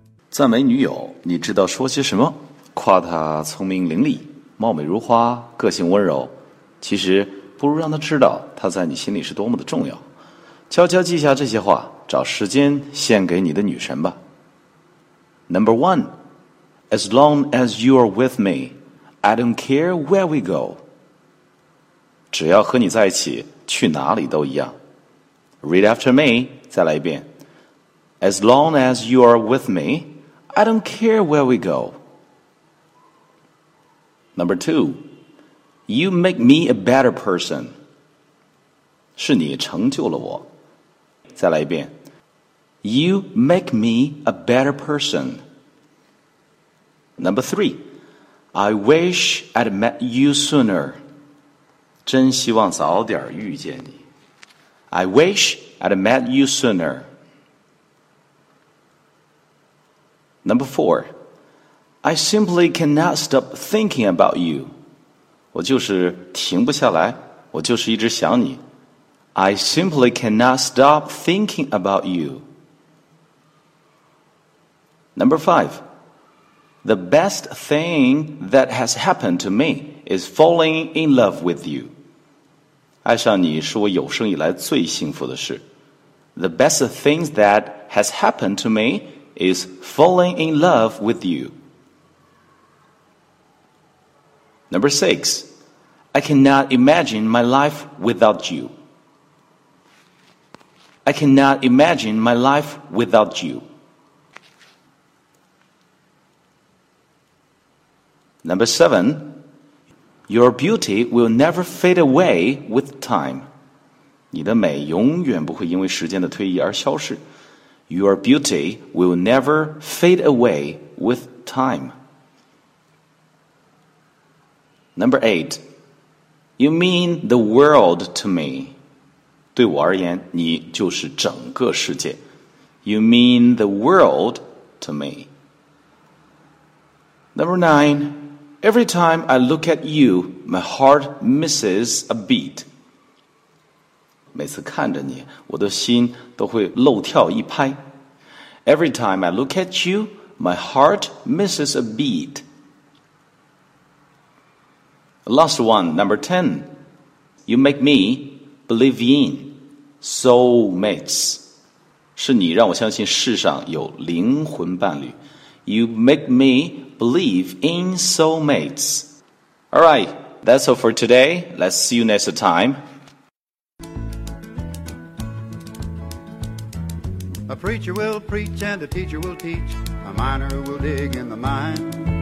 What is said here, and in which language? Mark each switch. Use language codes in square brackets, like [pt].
[zh] 赞美女友，你知道说些什么？夸她聪明伶俐，貌美如花，个性温柔。其实不如让她知道她在你心里是多么的重要。悄悄记下这些话，找时间献给你的女神吧。 [en] Number one, As long as you are with me, I don't care where we go. [zh] 只要和你在一起，去哪里都一样。 [en] Read after me, [zh] 再来一遍。 [en] As long as you are with me, I don't care where we go. Number two, You make me a better person. [zh] 是你成就了我。再来一遍。 [en] You make me a better person. Number three, I wish I'd met you sooner. [zh] 真希望早点遇见你。 [en] I wish I'd met you sooner. Number four, I simply cannot stop thinking about you. [zh] 我就是停不下来，我就是一直想你。 [en] I simply cannot stop thinking about you. Number five, the best thing that has happened to me is falling in love with you. [zh] 爱上你是我有生以来最幸福的事。 [en] The best thing that has happened to meis falling in love with you. Number six, I cannot imagine my life without you. I cannot imagine my life without you. Number seven, your beauty will never fade away with time. [zh] 你的美永远不会因为时间的推移而消失。 [en] Your beauty will never fade away with time. Number eight, You mean the world to me. [zh] 对我而言，你就是整个世界。 [en] You mean the world to me. Number nine, Every time I look at you, my heart misses a beat. [zh] 每次看着你，我的心都会漏跳一拍。 [en] Every time I look at you, my heart misses a beat. Last one, number 10. You make me believe in soulmates. [zh] 是你让我相信世上有灵魂伴侣。 [en] You make me believe in soulmates. All right, that's all for today. Let's see you next time. A preacher will preach and a teacher will teach. A miner will dig in the mine.